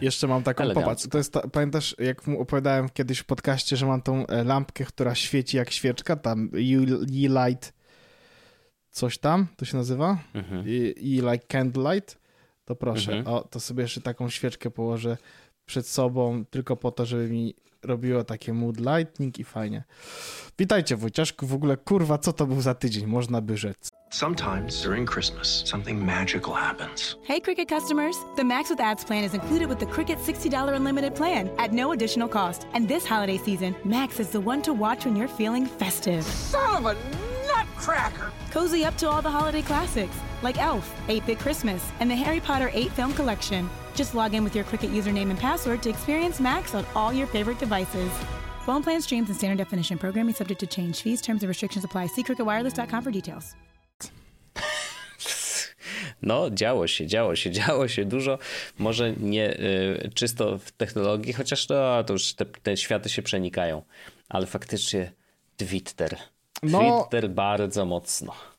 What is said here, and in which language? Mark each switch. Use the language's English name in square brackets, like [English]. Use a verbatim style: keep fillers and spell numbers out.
[Polish] Jeszcze mam taką, popatrz, to jest ta, pamiętasz jak mu opowiadałem kiedyś w podcaście, że mam tą lampkę, która świeci jak świeczka, tam E-Light coś tam, to się nazywa, mhm. I, [English] i like candlelight, [Polish] to proszę, mhm. o, to sobie jeszcze taką świeczkę położę przed sobą, tylko po to, żeby mi robiło takie mood lighting i fajnie. Witajcie, Wojciaszku, w ogóle, kurwa, co to był za tydzień, można by rzec. [English] Sometimes during Christmas, something magical happens. Hey Cricket customers, the Max with Ads plan is included with the Cricket sixty dollars unlimited plan at no additional cost. And this holiday season, Max is the one to watch when you're feeling festive. Son of a nutcracker! Cozy up to all the holiday classics like Elf, eight-Bit Christmas, and the Harry Potter eight film collection. Just log in with your Cricket username and password to experience Max on all your favorite devices. Phone plan streams and standard definition programming subject to change. Fees, terms and restrictions apply. See cricket wireless dot com for details. [Polish] No, działo się, działo się, działo się dużo. Może nie y, czysto w technologii, chociaż no, to już te, te światy się przenikają. Ale faktycznie Twitter. No, Twitter bardzo mocno.